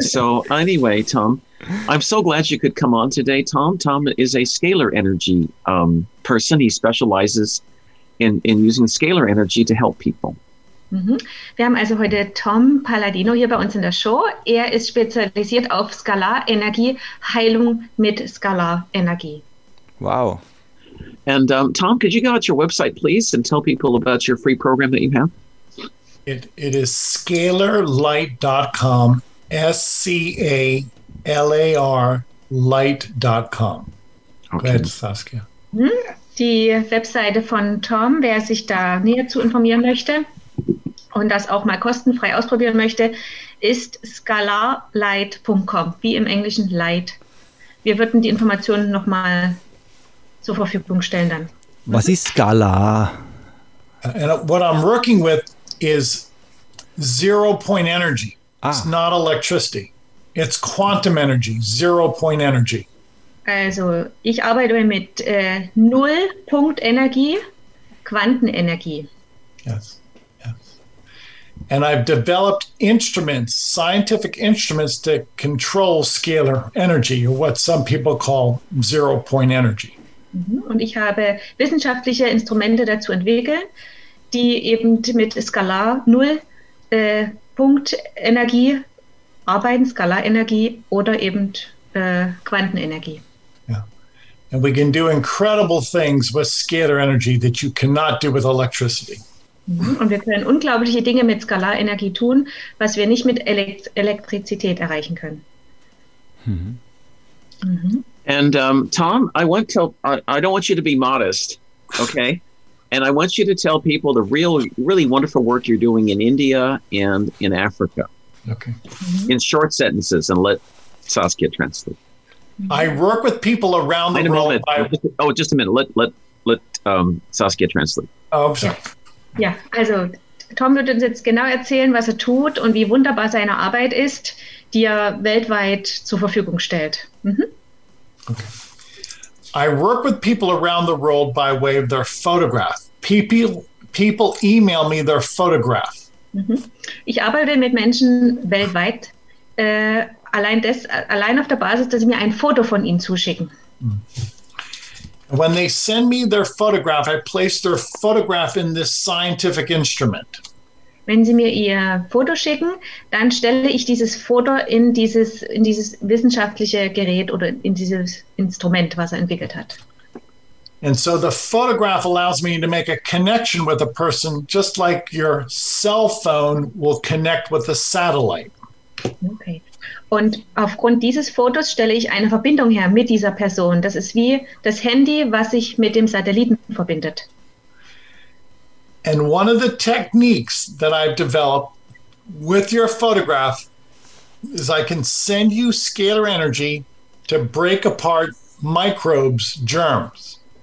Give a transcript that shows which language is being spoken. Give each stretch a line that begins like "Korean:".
English: So anyway, Tom, I'm so glad you could come on today, Tom. Tom is a scalar energy person. He specializes in using scalar energy to help people. Mm-hmm.
German: Wir haben also heute Tom Palladino hier bei uns in der Show. Er ist spezialisiert auf Skalarenergie, Heilung mit Skalarenergie. Wow.
English: And Tom, could you go out your website, please, and tell people about your free program that you have? It is scalarlight.com, scalarlight.com. Okay. Go ahead, Saskia.
German: Die Webseite von Tom, wer sich da näher zu informieren möchte und das auch mal kostenfrei ausprobieren möchte, ist scalarlight.com, wie im Englischen light. Wir würden die Informationen nochmal zur Verfügung stellen dann. Was ist Scala?
English: And what I'm working with is zero point energy. Ah. It's not electricity. It's quantum energy, zero point energy.
German: Also, ich arbeite mit Nullpunktenergie, Quantenenergie.
English: Yes, yes. And I've developed instruments, scientific instruments, to control scalar energy, or what some people call zero point energy.
German: Und ich habe wissenschaftliche Instrumente dazu entwickelt, die eben mit Skalar, Nullpunktenergie arbeiten, Skalarenergie oder eben Quantenenergie.
English: And we can do incredible things with scalar energy that you cannot do with electricity.
German: Und wir können unglaubliche Dinge mit Skalarenergie tun, was wir nicht mit Elektrizität erreichen können.
English: And Tom, I don't want you to be modest, okay? And I want you to tell people the real, really wonderful work you're doing in India and in Africa. Okay. In short sentences, and let Saskia translate. I work with people around the world. Just a minute. Let Saskia translate. Oh, sorry.
German: Ja, also Tom wird uns jetzt genau erzählen, was er tut und wie wunderbar seine Arbeit ist, die er weltweit zur Verfügung stellt. Okay.
English: I work with people around the world by way of their photograph. People email me their photograph.
German: Ich arbeite mit Menschen weltweit. Allein auf der Basis, dass sie mir ein Foto von ihnen zuschicken.
English: When they send me their photograph, I place their photograph in this scientific instrument.
German: Wenn sie mir ihr Foto schicken, dann stelle ich dieses Foto in dieses wissenschaftliche Gerät oder in dieses Instrument, was er entwickelt hat.
English: And so the photograph allows me to make a connection with a person, just like your cell phone will connect with a satellite. Okay.
German: Und aufgrund dieses Fotos stelle ich eine Verbindung her mit dieser Person. Das ist wie das Handy, was sich mit dem Satelliten verbindet.
English: And one of the techniques that I've developed with your photograph is I can send you scalar energy to break apart microbes, germs.